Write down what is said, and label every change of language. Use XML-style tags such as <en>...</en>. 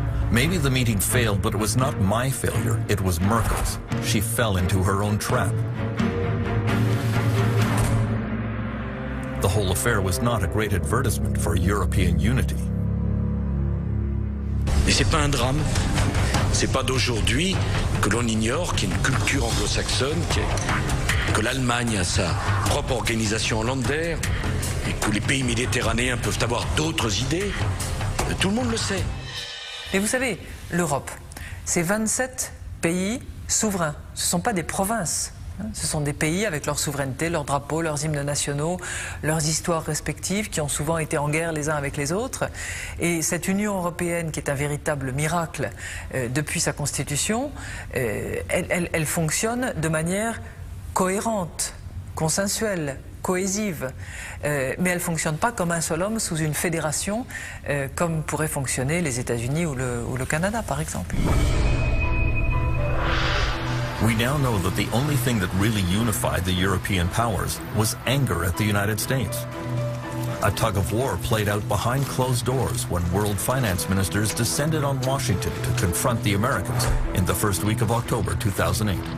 <en>Maybe the meeting failed, but it was not my failure, it was Merkel's. She fell into her own trap. The whole affair was not a great advertisement for European unity.</en> <fr>Mais c'est pas un drame. C'est pas d'aujourd'hui que l'on ignore qu'il y a une culture anglo-saxonne, que l'Allemagne a sa propre organisation Länder, et que les pays méditerranéens peuvent avoir d'autres idées. Tout le monde le sait. Mais vous savez, l'Europe, c'est 27 pays souverains. Ce ne sont pas des provinces. Ce sont des pays avec leur souveraineté, leurs drapeaux, leurs hymnes nationaux, leurs histoires respectives qui ont souvent été en guerre les uns avec les autres. Et cette Union européenne, qui est un véritable miracle depuis sa constitution, elle fonctionne de manière cohérente, consensuelle, cohésive. Mais elle ne fonctionne pas comme un seul homme sous une fédération, comme pourraient fonctionner les États-Unis ou le Canada, par exemple.</fr> <en>We now know that the only thing that really unified the European powers was anger at the United States. A tug of war played out behind closed doors when world finance ministers descended on Washington to confront the Americans in the first week of October 2008.</en>